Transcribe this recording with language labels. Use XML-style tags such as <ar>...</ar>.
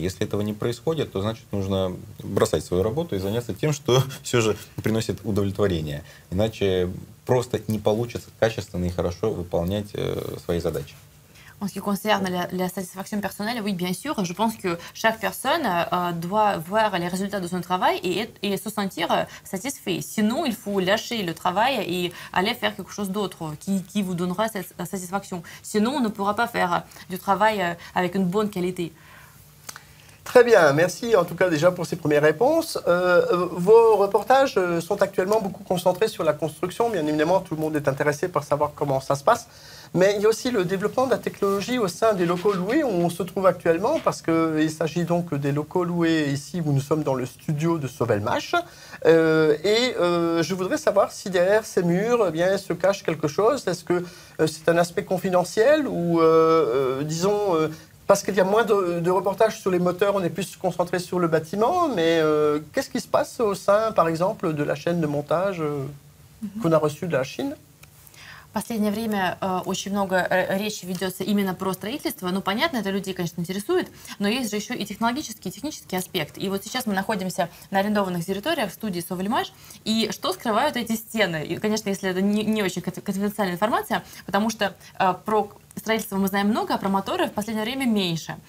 <ru>Если этого не происходит, то значит нужно бросать свою работу и заняться тем, что все же приносит удовлетворение. Иначе просто не получится качественно и хорошо выполнять свои задачи.</ru> <fr>En ce qui concerne la satisfaction personnelle, oui, bien sûr, je pense que chaque personne doit voir les résultats de son travail et se sentir satisfait. Sinon, il faut lâcher le travail et aller faire quelque chose d'autre qui vous donnera cette satisfaction. Sinon, on ne pourra pas faire du travail avec une bonne qualité. Très bien, merci en tout cas déjà pour ces premières réponses. Vos reportages sont actuellement beaucoup concentrés sur la construction. Bien évidemment, tout le monde est intéressé par savoir comment ça se passe. Mais il y a aussi le développement de la technologie au sein des locaux loués où on se trouve actuellement, parce qu'il s'agit donc des locaux loués ici où nous sommes dans le studio de Sauvelmash. Je voudrais savoir si derrière ces murs, eh bien, se cache quelque chose. Est-ce que c'est un aspect confidentiel ou, disons... Parce qu'il y a moins de reportages sur les moteurs, on est plus concentré sur le bâtiment, mais qu'est-ce qui se passe au sein, par exemple, de la chaîne de montage qu'on a reçue de la Chine ?</fr> <ru>В последнее время очень много речи ведется именно про строительство. Ну, понятно, это людей, конечно, интересует, но есть же еще и технологический, технический аспект. И вот сейчас мы находимся на арендованных территориях в студии Sauvelmash. И что скрывают эти стены? И, конечно, если это не очень конфиденциальная информация, потому что про строительство мы знаем много, а про моторы в последнее время меньше.</ru>